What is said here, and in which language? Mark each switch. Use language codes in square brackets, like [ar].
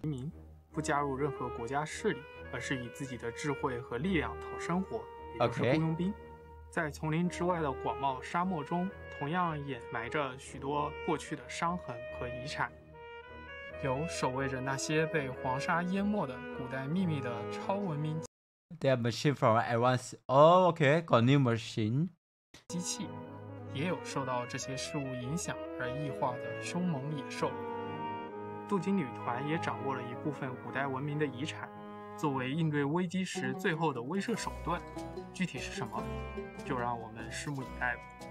[zh] 移民不加入任何国家势力，而是以自己的智慧和力量讨生活，也就是雇佣兵。在丛林之外的广袤沙漠中。同样掩埋着许多过去的伤痕和遗产，有守卫着那些被黄沙淹没的古代秘密的超文明。 [en] They are machine from advanced. Oh, okay, got new machine. [zh] 机器也有受到这些事物影响而异化的凶猛野兽。镀金女团也掌握了一部分古代文明的遗产，作为应对危机时最后的威慑手段，具体是什么，就让我们拭目以待吧。